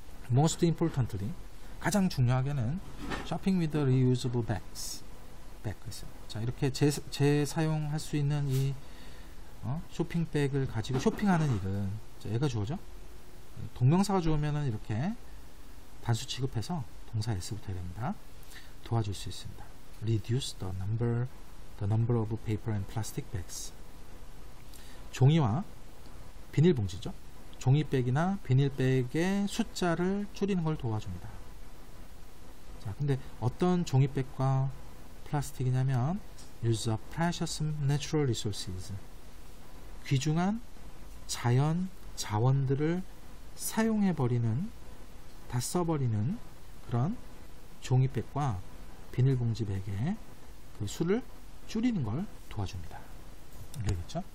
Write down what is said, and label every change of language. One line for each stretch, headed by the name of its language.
English: Most importantly,
Korean: 가장 중요하게는
English: shopping with reusable bags.
Korean: 자, 이렇게 재사용할 수 있는 이 쇼핑백을 가지고 쇼핑하는 일은, 자, 얘가 주어죠? 동명사가 주어면은 이렇게 단수 취급해서 동사 S부터 해야 됩니다. 도와줄 수 있습니다.
English: Reduce the number of paper and plastic bags.
Korean: 종이와 비닐봉지죠. 종이백이나 비닐백의 숫자를 줄이는 걸 도와줍니다. 자, 근데 어떤 종이백과 플라스틱이냐면
English: use of precious natural resources.
Korean: 귀중한 자연 자원들을 사용해 버리는, 다 써 버리는 그런 종이백과 비닐봉지백의 그 수를 줄이는 걸 도와줍니다. 알겠죠?